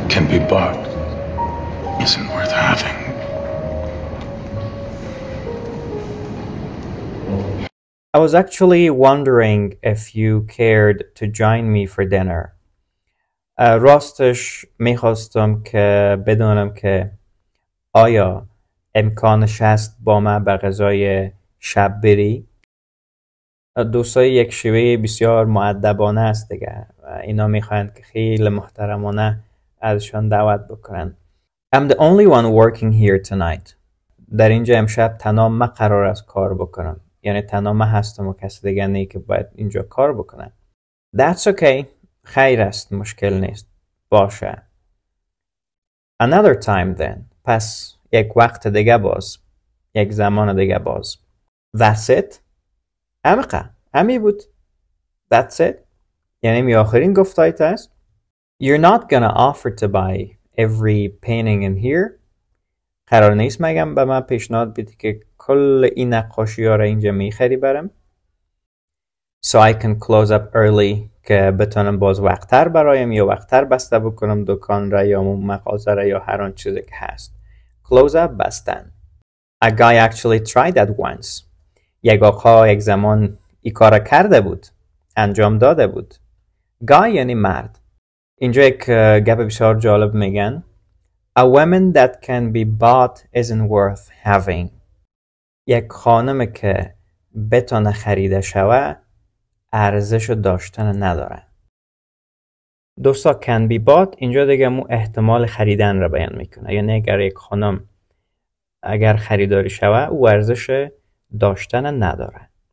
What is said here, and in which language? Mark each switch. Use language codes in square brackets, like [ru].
[en] Be bought isn't worth having. I was actually wondering if you cared to join me for dinner. [fa] راستش میخواستم که بدونم که آیا امکانش هست با ما به غذای شب بری؟ دوستای یک شیوه بسیار مؤدبانه است دیگه. اینا میخواهند که خیلی محترمانه ازشان دعوت بکنن. [en] I'm the only one working here tonight. [fa] در اینجا امشب تنها ما قرار است کار بکنم. یعنی تنها ما هستم و کسی دیگه نیست که باید اینجا کار بکنن. [en] That's okay. [fa] خیر است. مشکل نیست. باشه. [en] Another time then. [fa] پس یک وقت دیگه باز. یک زمان دیگه باز. [en] That's it. [fa] همقه. همی بود. That's it. یعنی می آخرین گفتایت است. [en] You're not gonna offer to buy every painting in here. [fa] قرار نیست مگم به من پیشنهاد بدی که کل این نقاشی ها را اینجا میخری برم. [en] So I can close up early [fa] که بتونم باز وقتتر برایم یا وقتتر بسته بکنم دکان را یا مغازه را یا هر آن چیزی که هست. [en] Close up [fa] بستن. [en] A guy actually tried that once. [fa] یک آقا یک زمان این کار را کرده بود. انجام داده بود. Guy یعنی مرد. اینجا یک گپ بسیار جالب میگن. [en] A woman that can be bought isn't worth having. [fa] یک خانم که بتونه خریده شوه ارزش داشتن نداره. دوستا [en] can be bought [fa] اینجا دیگه مو احتمال خریدن را بیان میکنه. یعنی اگر یک خانم اگر خریداری شوه او ارزش داشتن نداره.